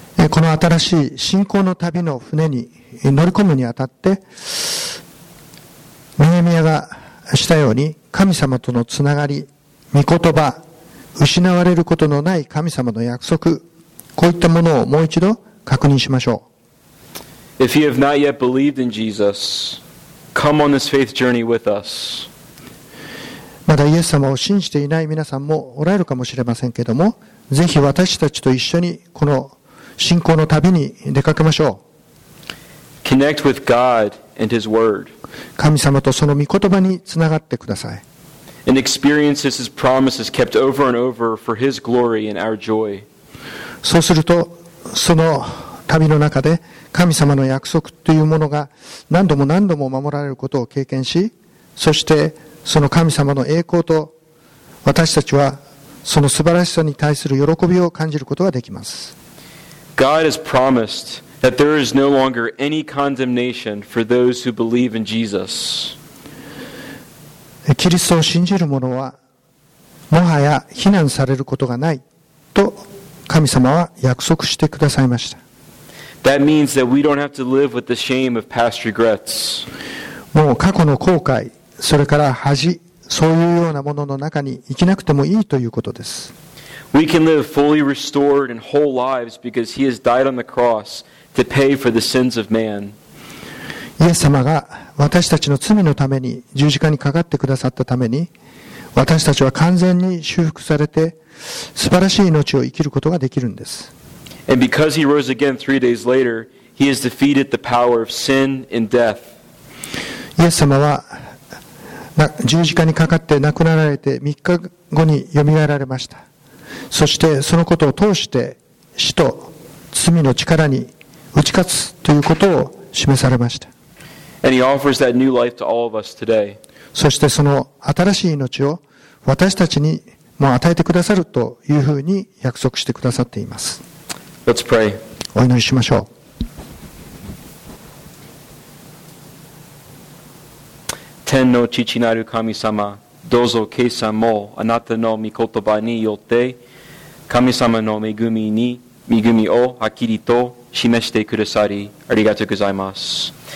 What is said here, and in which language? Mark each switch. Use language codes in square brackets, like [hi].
[ja] この新しい信仰の旅の船に乗り込むにあたって、ネヘミヤがしたように神様とのつながり、御言葉、失われることのない神様の約束、こういったものをもう一度確認しましょう。 [en] If you have not yet believed in Jesus, come on this faith journey with us. [ja] まだイエス様を信じていない皆さんもおられるかもしれませんけれども、ぜひ私たちと一緒にこの信仰の旅に出かけましょう。 [en] Connect with God and His Word. [ja] 神様とその御言葉につながってください。 [en] And experience His promises kept over and over for His glory and our joy. [ja] そうするとその旅の中で神様の約束というものが何度も何度も守られることを経験し、そしてその神様の栄光と私たちはその素晴らしさに対する喜びを感じることができます。 [en] God has promised that there is no longer any condemnation for those who believe in Jesus. [ja] キリストを信じる者はもはや非難されることがないと神様は約束してくださいました。 [en] That means that we don't have to live with the shame of past regrets. [ja] もう過去の後悔、それから恥、そういうようなものの中に生きなくてもいいということです。 [en] We can live fully restored and whole lives because He has died on the cross to pay for the sins of man. [ja] イエス様が私たちの罪のために十字架にかかってくださったために、私たちは完全に修復されて素晴らしい命を生きることができるんです。 [en] And because he rose again 3 days later, he has defeated the power of sin and death. [ja] イエス様は十字架にかかって亡くなられて3日後によみがえられました。そしてそのことを通して死と罪の力に打ち勝つということを示されました。 [en] And he offers that new life to all of us today. [ja] そしてその新しい命を私たちにも与えてくださるというふうに約束してくださっています。 [en] Let's pray. [ja] お祈りしましょう。天の父なる神様、どうぞ今朝もあなたの御言葉によって神様の恵みをはっきりと示してくださりありがとうございます。